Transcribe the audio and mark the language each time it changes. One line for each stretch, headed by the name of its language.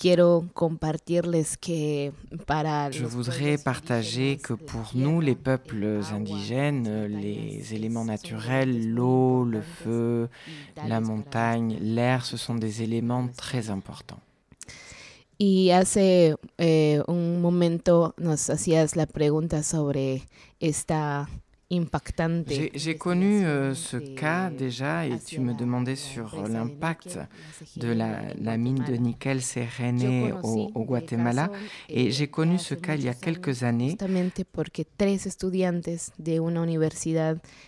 French: Je voudrais partager que pour nous, les peuples indigènes, les éléments naturels, l'eau, le feu, la montagne, l'air, ce sont des éléments très importants.
Spanish: Y hace un momento nos hacías la pregunta sobre esta impactante.
French: J'ai connu ce cas déjà et tu me demandais sur l'impact de la mine de nickel Serene au Guatemala. Et j'ai connu ce cas il y a quelques années.
Spanish: Justamente porque tres estudiantes de una universidad.